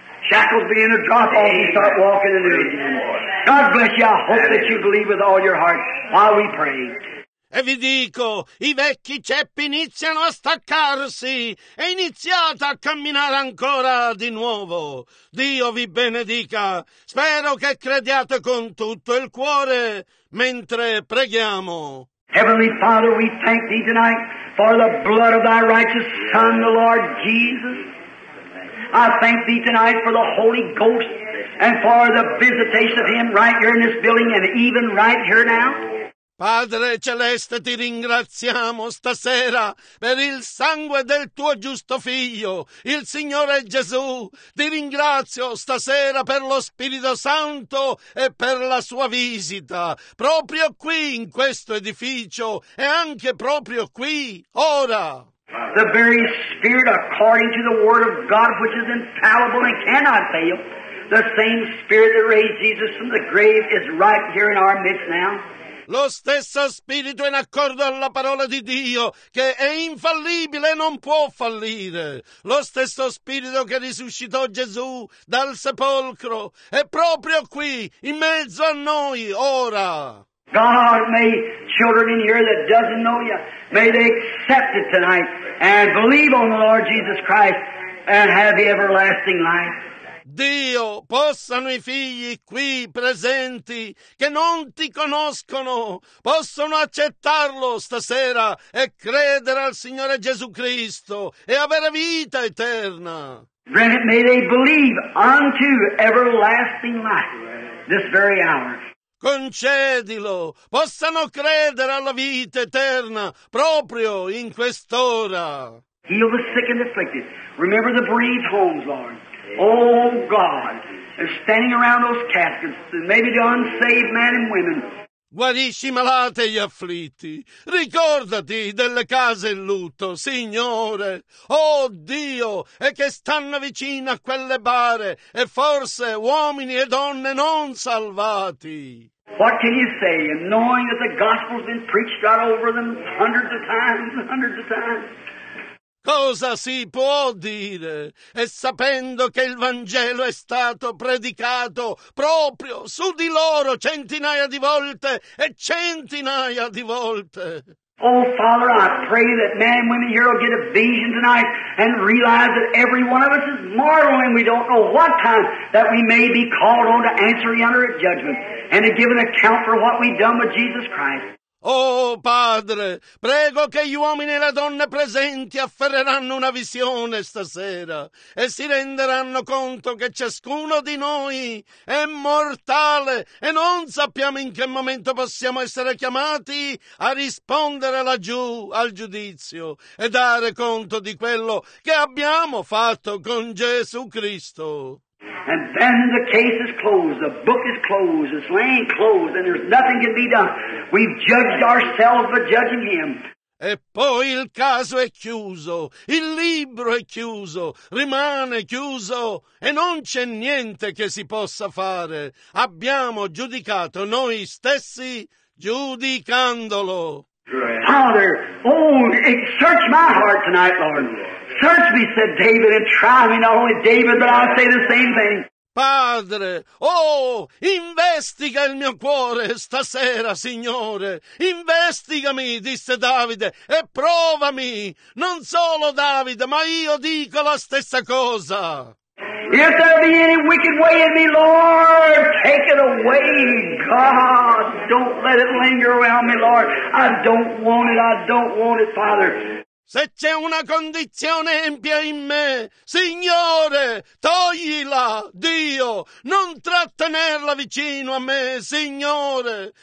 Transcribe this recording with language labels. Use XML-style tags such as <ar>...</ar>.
<en>Shackles begin to drop off and start walking anew. God bless you, I hope that you believe with all your heart while we pray.</en> <it>E vi dico, i vecchi ceppi iniziano a staccarsi e iniziate a camminare ancora di nuovo. Dio vi benedica. Spero che crediate con tutto il cuore mentre preghiamo.</it> <en>Heavenly Father, we thank Thee tonight for the blood of Thy righteous Son, the Lord Jesus. I thank Thee tonight for the Holy Ghost and for the visitation of Him right here in this building and even right here now.</en> <it>Padre Celeste, ti ringraziamo stasera per il sangue del tuo giusto figlio, il Signore Gesù. Ti ringrazio stasera per lo Spirito Santo e per la sua visita, proprio qui in questo edificio e anche proprio qui, ora.</it> <en>The very Spirit, according to the Word of God, which is infallible and cannot fail, the same Spirit that raised Jesus from the grave is right here in our midst now.</en> <it>lo stesso Spirito in accordo alla parola di Dio, che è infallibile e non può fallire. Lo stesso Spirito che risuscitò Gesù dal sepolcro è proprio qui, in mezzo a noi, ora.</it> <en>God, may children in here that doesn't know you, may they accept it tonight and believe on the Lord Jesus Christ and have the everlasting life.</en> <it>Dio, possano i figli qui presenti che non ti conoscono, possono accettarlo stasera e credere al Signore Gesù Cristo e avere vita eterna.</it> <en>Granted, may they believe unto everlasting life this very hour.</en> <it>Concedilo, possano credere alla vita eterna proprio in quest'ora.</it> <en>Heal the sick and afflicted. Remember the bereaved homes, Lord. Oh God, they're standing around those caskets, maybe the unsaved men and women.</en> <it>Guarisci i malati e gli afflitti. Ricordati delle case in lutto, Signore. Oh Dio, e che stanno vicino a quelle bare, e forse uomini e donne non salvati.</it> <en>What can you say, knowing that the gospel's been preached out over them hundreds of times, hundreds of times?</en> <it>Cosa si può dire, e sapendo che il Vangelo è stato predicato proprio su di loro centinaia di volte e centinaia di volte?</it> <en>Oh, Father, I pray that men and women here will get a vision tonight and realize that every one of us is mortal and we don't know what time that we may be called on to answer under at judgment and to give an account for what we've done with Jesus Christ.</en> <it>Oh, Padre, prego che gli uomini e le donne presenti afferreranno una visione stasera e si renderanno conto che ciascuno di noi è mortale e non sappiamo in che momento possiamo essere chiamati a rispondere laggiù al giudizio e dare conto di quello che abbiamo fatto con Gesù Cristo.</it> <en>And then the case is closed, the book is closed, it's laying closed, and there's nothing can be done. We've judged ourselves by judging him.</en> <it>E poi il caso è chiuso, il libro è chiuso, rimane chiuso, e non c'è niente che si possa fare. Abbiamo giudicato noi stessi giudicandolo.</it> <en>Father, oh, search my heart tonight, Lord. Search me, said David, and try me, not only David, but I'll say the same thing.</en> <it>Padre, oh, investiga il mio cuore stasera, Signore. Investigami, disse Davide, e provami. Non solo Davide, ma io dico la stessa cosa.</it> <en>If there be any wicked way in me, Lord, take it away, God. Don't let it linger around me, Lord. I don't want it, I don't want it, Father.</en> <it>Se c'è una condizione empia in me, Signore, toglila, Dio, non trattenerla vicino a me, Signore.</it>